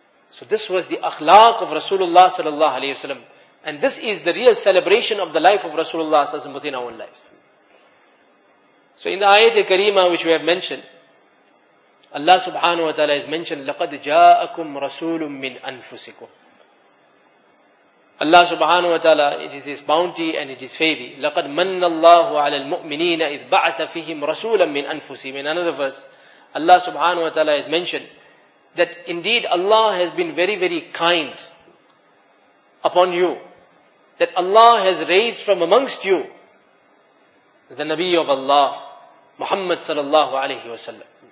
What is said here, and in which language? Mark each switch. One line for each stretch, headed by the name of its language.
English: So this was the akhlaq of Rasulullah sallallahu alayhi wa sallam. And this is the real celebration of the life of Rasulullah sallallahu alayhi wa sallam within our own lives. So in the ayat al-kareema which we have mentioned, Allah subhanahu wa ta'ala has mentioned,
Arabic: لَقَدْ جَاءَكُمْ رَسُولٌ مِّنْ أَنفُسِكُمْ.
English: Allah subhanahu wa ta'ala, it is His bounty and it is favor.
Arabic: لَقَدْ مَنَّ اللَّهُ عَلَى الْمُؤْمِنِينَ إِذْ بَعْثَ فِيهِمْ رَسُولًا مِّنْ أَنفُسِهِمْ.
English: In another verse, Allah subhanahu wa ta'ala has mentioned that indeed Allah has been very, very kind upon you, that Allah has raised from amongst you the Nabi of Allah, Muhammad sallallahu alayhi wa sallam.